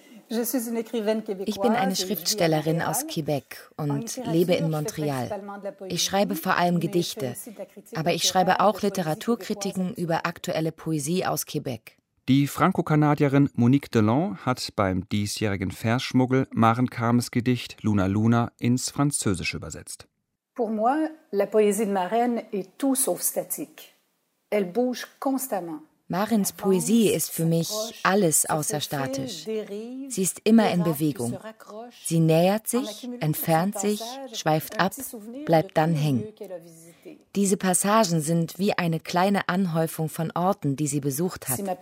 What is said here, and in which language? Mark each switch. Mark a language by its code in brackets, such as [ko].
[de] Ich bin eine Schriftstellerin aus Quebec und lebe in Montreal. Ich schreibe vor allem Gedichte, aber ich schreibe auch Literaturkritiken über aktuelle Poesie aus Quebec. Die Franco-Kanadierin Monique Delan hat beim diesjährigen Versschmuggel Maren Carmes Gedicht Luna Luna ins Französische übersetzt. [fr] Pour moi, la poésie de Maren est tout sauf statique. Elle bouge constamment. [de] Marins Poesie ist für mich alles außer statisch. Sie ist immer in Bewegung. Sie nähert sich, entfernt sich, schweift ab, bleibt dann hängen. Diese Passagen sind wie eine kleine Anhäufung von Orten, die sie besucht hat.